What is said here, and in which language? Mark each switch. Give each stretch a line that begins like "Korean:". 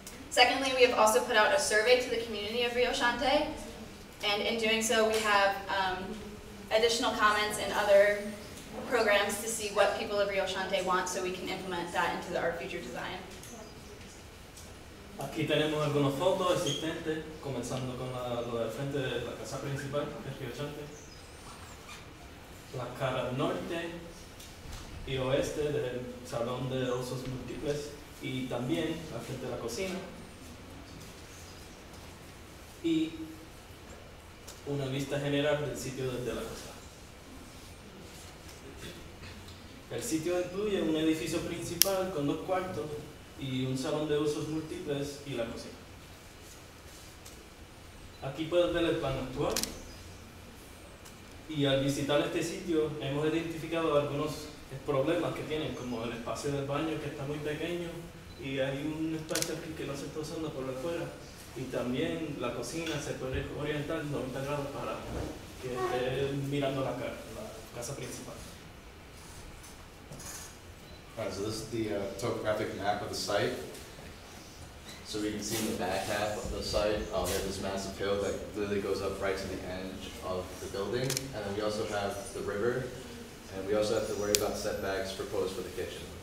English: Secondly, we have also put out a survey to the community of Rio Chante. And in doing so, we have additional comments and other programs to see what people of Rio Chante want so we can implement that into our future design.
Spanish: Aquí tenemos algunas fotos existentes, comenzando con lo del frente de la casa principal de Rio Chante, la cara norte y oeste del salón de usos múltiples y también la frente de la cocina. Y una vista general del sitio desde la casa. El sitio incluye un edificio principal con 2 cuartos y un salón de usos múltiples y la cocina. Aquí puedes ver el plan actual. Y al visitar este sitio hemos identificado algunos problemas que tienen, como el espacio del baño que está muy pequeño y hay un espacio aquí que no se está usando por afuera. Y también la cocina se puede orientar 90 grados para que esté mirando la casa principal.
English: Alright, so this is the topographic map of the site. So we can see in the back half of the site, we have this massive hill that literally goes up right to the edge of the building. And then we also have the river. And we also have to worry about setbacks proposed for the kitchen.